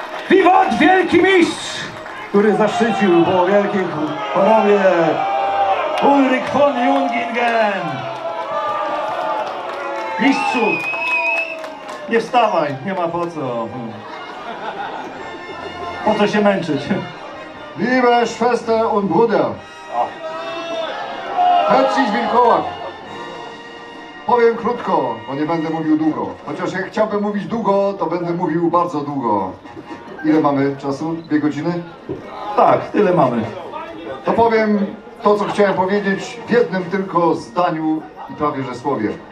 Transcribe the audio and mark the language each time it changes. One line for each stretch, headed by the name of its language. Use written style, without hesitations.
Polish: Viva Wielki Mistrz, który zaszczycił po wielkich panowie Ulrich von Jungingen! Mistrzu, nie wstawaj, nie ma po co. Po co się męczyć?
German: Liebe Schwester und Bruder, herzlich willkommen.
Polish: Powiem krótko, bo nie będę mówił długo. Chociaż jak chciałbym mówić długo, to będę mówił bardzo długo. Ile mamy czasu? Dwie godziny? Tak, tyle mamy. To powiem to, co chciałem powiedzieć w jednym tylko zdaniu i prawie że słowie.